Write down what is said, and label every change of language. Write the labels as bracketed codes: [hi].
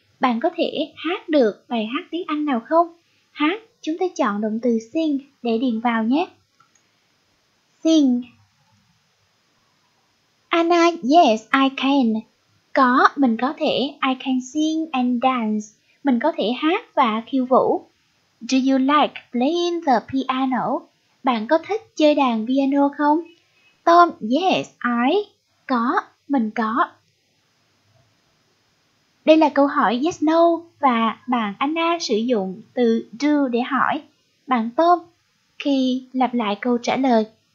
[vi] Bạn có thể hát được bài hát tiếng Anh nào không? Hát, chúng ta chọn động từ sing để điền vào nhé. [en] Sing. Anna, yes, I can. [vi] Có, mình có thể. [en] I can sing and dance. [vi] Mình có thể hát và khiêu vũ. [en] Do you like playing the piano? [vi] Bạn có thích chơi đàn piano không? [en] Tom, yes, I. [vi] Có, mình có. Đây là câu hỏi yes, no. Và bạn Anna sử dụng từ do để hỏi bạn Tom khi lặp lại câu trả lời.